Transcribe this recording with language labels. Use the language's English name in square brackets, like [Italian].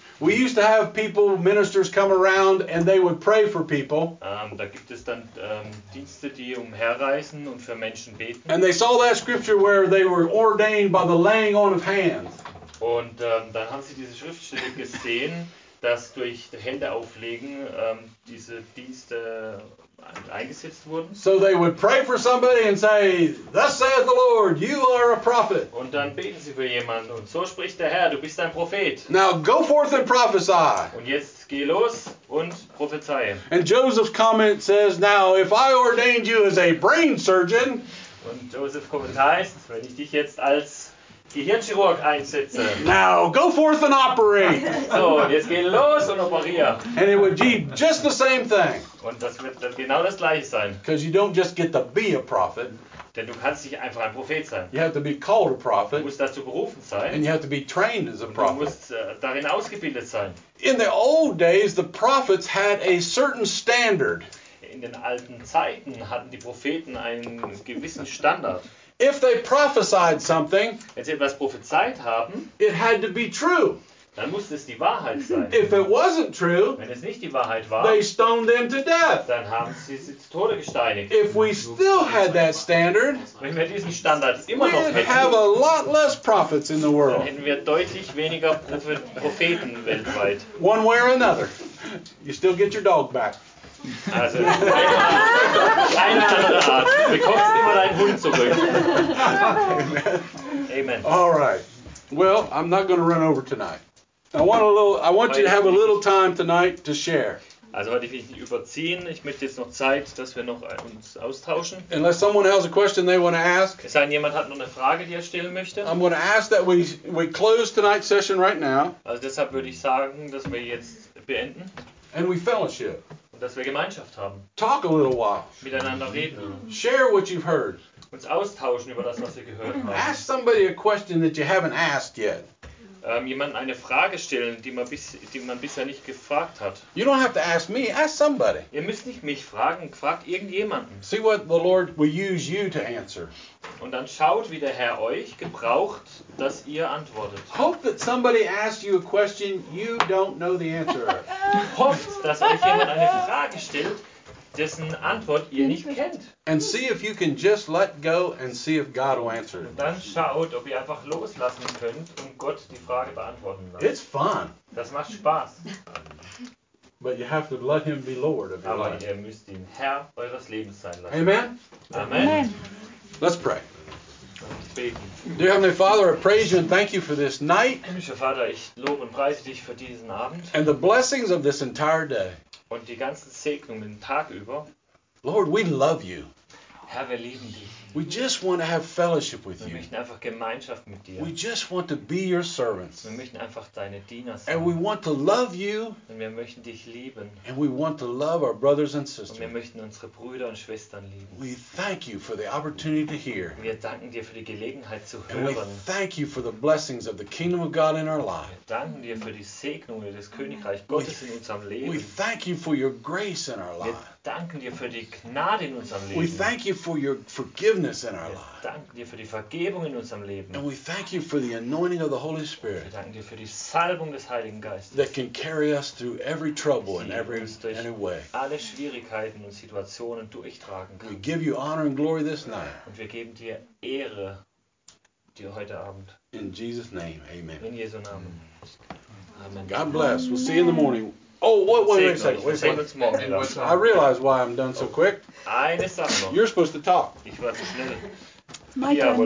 [English] We used to have people, ministers come around and they would pray for people. [German] Da gibt es dann Dienste, die umherreisen und für Menschen beten. [English] And they saw that scripture where they were ordained by the laying on of hands. [German] Und dann haben sie diese Schriftstelle gesehen, dass durch Hände auflegen diese Dienste eingesetzt wurden. [English] So they would pray for somebody and say, thus saith the Lord, you are a prophet. [German] Und dann beten sie für jemanden und so spricht der Herr, du bist ein Prophet. [English] Now go forth and prophesy. [German] Und jetzt geh los und prophezei. [English] And Joseph's comment says, now if I ordained you as a brain surgeon. [German] Und Joseph's Kommentar ist, wenn ich dich jetzt als Gehirnchirurg einsetze. [English] Now go forth and operate. [German] So, jetzt geh los und operier. [English] And it would be just the same thing. [German] Und das wird dann genau das gleiche sein. [English] Because you don't just get to be a prophet. [German] Denn du kannst nicht einfach ein Prophet sein. [English] You have to be called a prophet. [German] Du musst dazu berufen sein. [English] And you have to be trained as a prophet. [German] Du musst darin ausgebildet sein. [English] In the old days, the prophets had a certain standard. [German] In den alten Zeiten hatten die Propheten einen gewissen Standard. [English] If they prophesied something, [German] wenn sie etwas prophezeit haben, [English] it had to be true. [German] Dann musste es die Wahrheit sein. [English] If it wasn't true, [German] wenn es nicht die Wahrheit war, [English] they stoned them to death. [German] Dann haben sie sie zu Tode gesteinigt. [English] If we still had that standard, [German] wenn wir diesen Standard immer noch hätten, [English] have a lot less prophets in the world. [German] Dann hätten wir deutlich weniger Propheten weltweit. [English] One way or another, you still get your dog back. [German] Also, eine andere Art. Du bekommst immer deinen Hund zurück. [English] Amen. All right. Well, I'm not going to run over tonight. I want you to have a little time tonight to share. [German] Also heute will ich nicht überziehen. Ich möchte jetzt noch Zeit, dass wir noch uns austauschen. [English] Unless someone has a question they want to ask. [German] Es sei denn, jemand hat noch eine Frage, die er stellen möchte. [English] I'm going to ask that we close tonight's session right now. [German] Also deshalb würde ich sagen, dass wir jetzt beenden. [English] And we fellowship. [German] Dass wir Gemeinschaft haben. [English] Talk a little while. [German] Miteinander reden. [English] Share what you've heard. [German] Uns austauschen über das, was wir gehört haben. [English] Ask somebody a question that you haven't asked yet. [German] Jemanden eine Frage stellen, die man bisher nicht gefragt hat. [English] You don't have to ask me, ask somebody. [German] Ihr müsst nicht mich fragen, fragt irgendjemanden. [English] See what the Lord will use you to answer. [German] Und dann schaut, wie der Herr euch gebraucht, dass ihr antwortet. [English] Hope that somebody asks you a question you don't know the answer of. [German] Hofft, dass euch jemand eine Frage stellt, dessen Antwort ihr nicht kennt. [English] And see if you can just let go and see if God will answer it. [German] Und dann schaut, ob ihr einfach loslassen könnt und Gott die Frage beantworten lassen. [English] It's fun. [German] Das macht Spaß. [English] But you have to let him be Lord of your [German] Aber [English] life. [German] Ihr müsst ihn Herr eures Lebens sein lassen. [English] Amen. [German] Amen. [English] Let's pray. [German] beten. [English] Dear Heavenly Father, I praise you and thank you for this night. [German] Himmlischer Vater, ich lobe und preise dich für diesen Abend. [English] And the blessings of this entire day. [German] Und die ganzen Segnungen den Tag über. [English] Lord, we love you. [German] Herr, wir lieben dich. [English] We just want to have fellowship with you. [German] Wir möchten einfach Gemeinschaft mit dir. [English] We just want to be your servants. [German] Wir möchten einfach deine Diener sein. [English] And we want to love you. [German] Und wir möchten dich lieben. [English] And we want to love our brothers and sisters. [German] Und wir möchten unsere Brüder und Schwestern lieben. [English] We thank you for the opportunity to hear. [German] Wir danken dir für die Gelegenheit zu hören. [English] And we thank you for the blessings of the kingdom of God in our life. [German] Wir danken dir für die Segnungen des Königreichs Gottes in unserem Leben. [English] We thank you for your grace in our life. [German] Wir danken dir für die Gnade in unserem Leben. [English] We thank you for your forgiveness in our life. [German] Wir danken dir für die Vergebung in unserem Leben. [English] And we thank you for the anointing of the Holy Spirit. [German] Wir danken dir für die Salbung des Heiligen Geistes. [English] That can carry us through every trouble in any way. [German] Alle Schwierigkeiten und Situationen durchtragen kann. [English] We give you honor and glory this night. [German] Und wir geben dir Ehre dir heute Abend. [English] In Jesus' name, amen. [German] In Jesu Namen. Amen. [English] God bless. We'll see you in the morning. Oh, wait a second. I realize why I'm done so quick. [German] Eine Sache noch. [English] You're supposed to talk. [German] Ich war zu schnell.